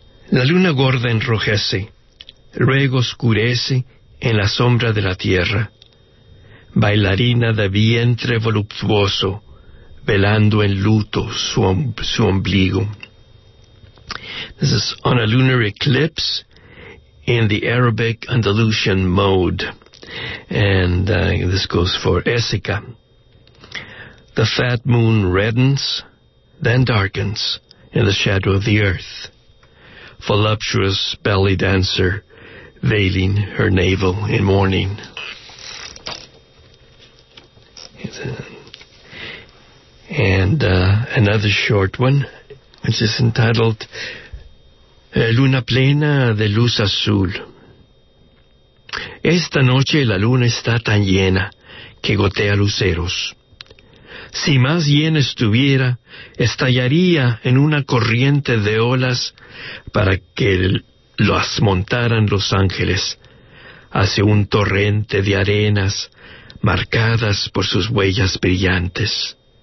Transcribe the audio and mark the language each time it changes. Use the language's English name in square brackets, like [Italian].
[Spanish] La luna gorda enrojece, luego oscurece en la sombra de la tierra, bailarina de vientre voluptuoso, velando en luto su ombligo. [English] This is on a lunar eclipse in the Arabic Andalusian mode, and this goes for Esica. The fat moon reddens, then darkens in the shadow of the earth, voluptuous belly dancer veiling her navel in mourning. And another short one, which is entitled Luna Plena de Luz Azul. [Spanish] Esta noche la luna está tan llena que gotea luceros. Si más llena estuviera, estallaría en una corriente de olas para que las montaran los ángeles hacia un torrente de arenas marcadas por sus huellas brillantes.